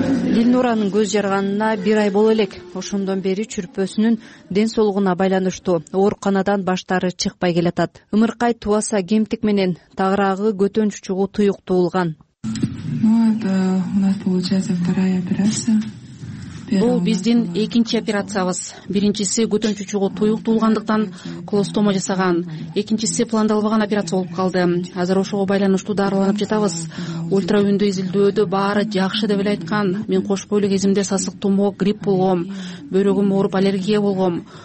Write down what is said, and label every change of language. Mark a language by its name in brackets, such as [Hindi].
[Kyrgyz] Дилнур Юранын көз жарганына бир ай боло элек. Ошондон бери чүрпөсүнүн ден соолугуна байланыштуу ооруканадан баштары чыкпай келатат. Ымыркай тубаса кемтик менен тагыраагы көтөн чучугу туюктуулган. [Russian] Ну, это у нас получается вторая операция. [Kyrgyz] Бул биздин экинчи операциябыз. Биринчиси көтөн чучугу туюктуулгандыктан колостома жасаган. Экинчиси пландалбаган операция болуп калды. Азыр ошого байланыштуу дарыланып жатабыз. Ультраүндү изилдөөдө баары жакшы деп эле айткан. Мен кош бойлу кезимде сасык тумоо, грипп болгом, бөйрөгүм ооруп аллергия болгом.